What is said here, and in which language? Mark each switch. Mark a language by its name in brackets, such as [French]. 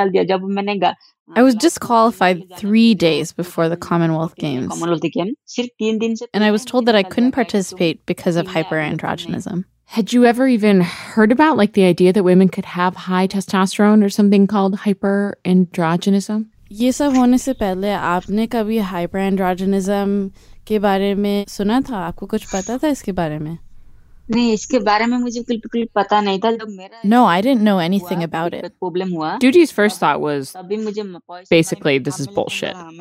[English] I was disqualified 3 days before the Commonwealth Games. And I was told that I couldn't participate because of hyperandrogenism. Had you ever even heard about, like, the idea that women could have high testosterone or something called hyperandrogenism? [Hindi] ये सब होने से पहले आपने कभी हाइपरएंड्रोजेनिज़्म के बारे में सुना था? आपको कुछ पता था इसके बारे में? [English] No, I didn't know anything about it. Duti's first thought was, basically, this is bullshit.